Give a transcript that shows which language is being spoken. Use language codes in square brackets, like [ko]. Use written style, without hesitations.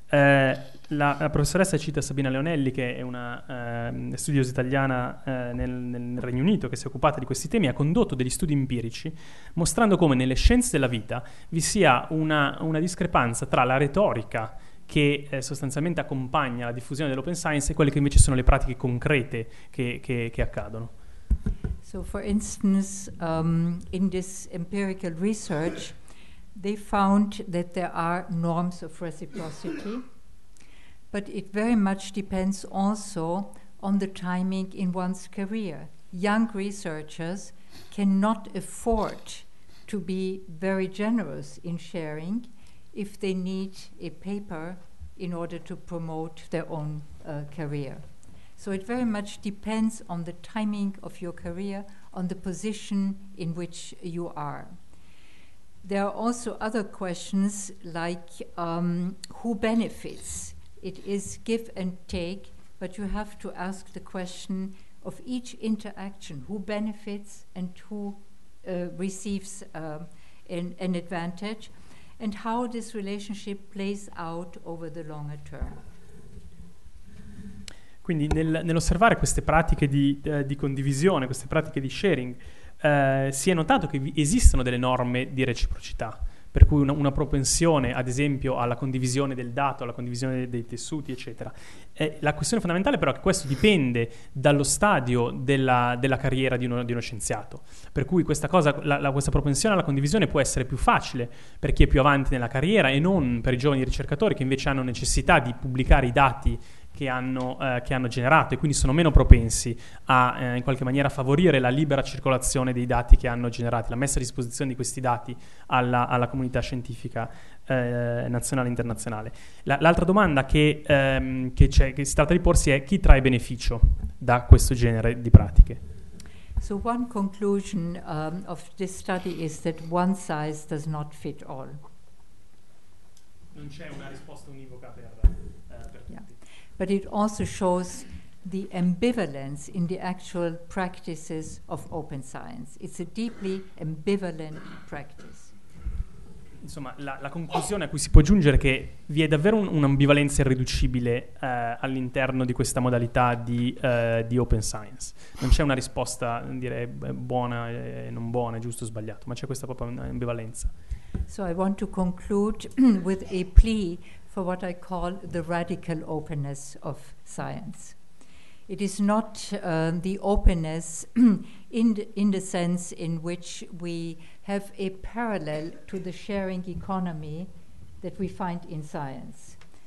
[it] La professoressa cita Sabina Leonelli, che è una studiosa italiana nel Regno Unito, che si è occupata di questi temi, ha condotto degli studi empirici mostrando come nelle scienze della vita vi sia una discrepanza tra la retorica che sostanzialmente accompagna la diffusione dell'open science e quelle che invece sono le pratiche concrete che accadono. [en] So for instance, in this empirical research, they found that there are norms of reciprocity, but it very much depends also on the timing in one's career. Young researchers cannot afford to be very generous in sharing if they need a paper in order to promote their own career. So it very much depends on the timing of your career, on the position in which you are. There are also other questions like who benefits. It is give and take, but you have to ask the question of each interaction, who benefits and who receives an advantage, and how this relationship plays out over the longer term. [it] Quindi nell'osservare queste pratiche di condivisione, queste pratiche di sharing, si è notato che esistono delle norme di reciprocità, per cui una propensione, ad esempio, alla condivisione del dato, alla condivisione dei tessuti, eccetera. La questione fondamentale però è che questo dipende dallo stadio della carriera di uno scienziato, per cui questa cosa, questa propensione alla condivisione può essere più facile per chi è più avanti nella carriera e non per i giovani ricercatori che invece hanno necessità di pubblicare i dati che hanno generato e quindi sono meno propensi a in qualche maniera favorire la libera circolazione dei dati che hanno generato, la messa a disposizione di questi dati alla comunità scientifica nazionale e internazionale. L'altra domanda che si tratta di porsi è: chi trae beneficio da questo genere di pratiche? [en] So one conclusion of this study is that one size does not fit all. [it] Non c'è una risposta univoca per [en] but it also shows the ambivalence in the actual practices of open science. It's a deeply ambivalent practice. [it] Insomma, la conclusione a cui si può giungere è che vi è davvero un'ambivalenza irriducibile all'interno di questa modalità di open science. Non c'è una risposta, direi, buona e non buona, giusto o sbagliato, ma c'è questa proprio ambivalenza. [en] So I want to conclude with a plea for what I call the radical openness of science. It is not the openness in the sense in which we have a parallel to the sharing economy that we find in science.